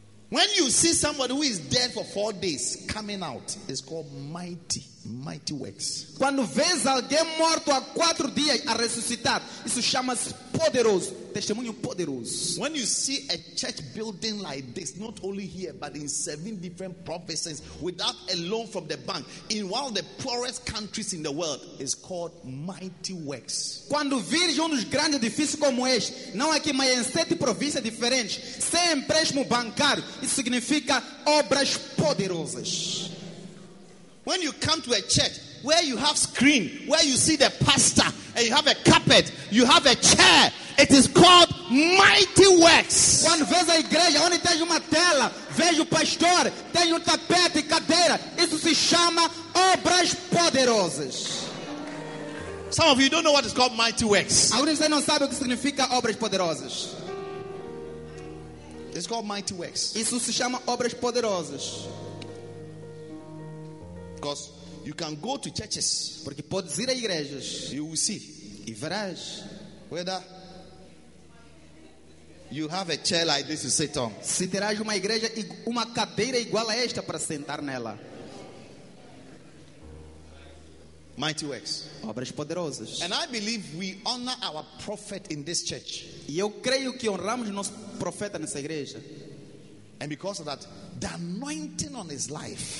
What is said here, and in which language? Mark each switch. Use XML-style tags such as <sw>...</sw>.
<en>When you see somebody who is dead for 4 days coming out, it's called mighty, mighty works.</en> <pt>Quando vês alguém morto há 4 dias a ressuscitar, isso chama-se poderoso, testemunho poderoso.</pt> <en>When you see a church building like this, not only here, but in 7 different provinces, without a loan from the bank, in one of the poorest countries in the world, it's called mighty works.</en> <pt>Quando vês um dos grandes edifícios como este, não aqui, mas em 7 províncias diferentes, sem empréstimo bancário, isso significa obras poderosas.</pt> <en>When you come to a church where you have screen, where you see the pastor, and you have a carpet, you have a chair, it is called Mighty Works.</en> <pt>Quando vejo a igreja onde tem uma tela, vejo o pastor, tem um tapete e cadeira, isso se chama obras poderosas.</pt> <en>Some of you don't know what is called Mighty Works.</en> <pt>Alguns de vocês não sabem o que significa obras poderosas.</pt> <en>It's called Mighty Works.</en> <pt>Isso se chama obras poderosas.</pt> <en>Because you can go to churches.</en> <pt>Porque podes ir a igrejas.</pt> <en>You will see.</en> <pt>E verás.</pt> <en>Whether you have a chair like this to sit on.</en> <pt>Se terás uma igreja e uma cadeira igual a esta para sentar nela.</pt> <en>Mighty Works.</en> <pt>Obras poderosas.</pt> <en>And I believe we honor our prophet in this church.</en> <pt>E eu creio que honramos nosso profeta nessa igreja.</pt> <en>And because of that, the anointing on his life.</en>